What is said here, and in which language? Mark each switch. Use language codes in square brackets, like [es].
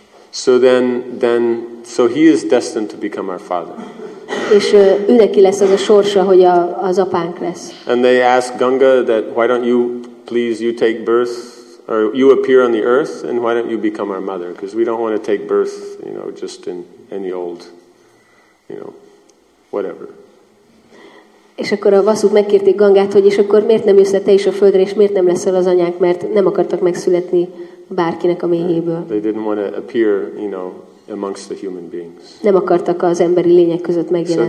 [en] So then he is destined to become our father. [hu] És őneki lesz az a sorsa, hogy az apánk lesz. [en] And they ask Ganga that why don't you please you take birth or you appear on the earth and why don't you become our mother, because we don't want to take birth, you know, just in any old, you know, whatever. [hu] És akkor a Vasuk megkérték Gangát, hogy és akkor miért nem jössz le te is a földre, és miért nem leszel az anyánk, mert nem akartak megszületni bárkinek a méhéből. [en] They didn't want to appear, you know, amongst the human beings. [hu] Nem akartak az emberi lények között megjelenni.